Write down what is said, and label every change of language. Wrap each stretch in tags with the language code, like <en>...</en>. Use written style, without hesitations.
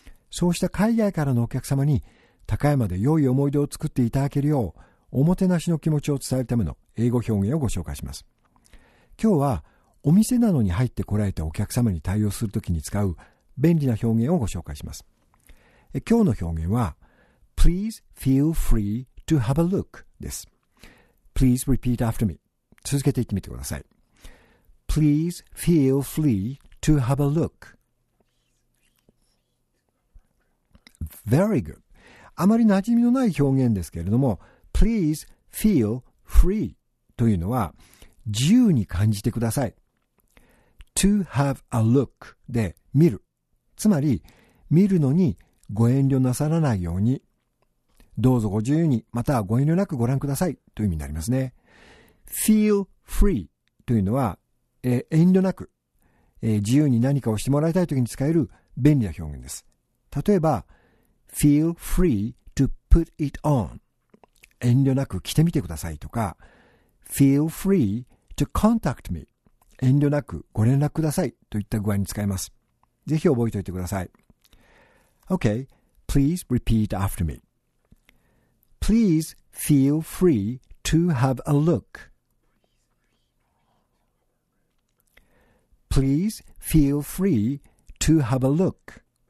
<ja>そうした海外からのお客様に高山で良い思い出を作っていただけるよう、おもてなしの気持ちを伝えるための英語表現をご紹介します。今日はお店などに入ってこられたお客様に対応するときに使う便利な表現をご紹介します。今日の表現は</ja> <en>Please feel free to have a look</en> <ja>です。</ja> <en>Please repeat after me.</en> <ja>続けて言ってみてください。</ja> <en>Please feel free to have a look. Very good.</en> <ja>あまり馴染みのない表現ですけれども、</ja> <en>Please feel free</en> <ja>というのは自由に感じてください。</ja> <en>To have a look</en> <ja>で見る。つまり、見るのにご遠慮なさらないように。どうぞご自由に、またはご遠慮なくご覧くださいという意味になりますね。 Feel free というのは、遠慮なく、自由に何かをしてもらいたいときに使える便利な表現です。例えば、</ja> <en>Feel free to put it on。</en> <ja>遠慮なく着てみてくださいとか、</ja> <en>Feel free to contact me。</en> <ja>遠慮なくご連絡くださいといった具合に使います。ぜひ覚えておいてください。</ja> <en>Okay, please repeat after me. Please feel free to have a look. Please feel free to have a look.</en>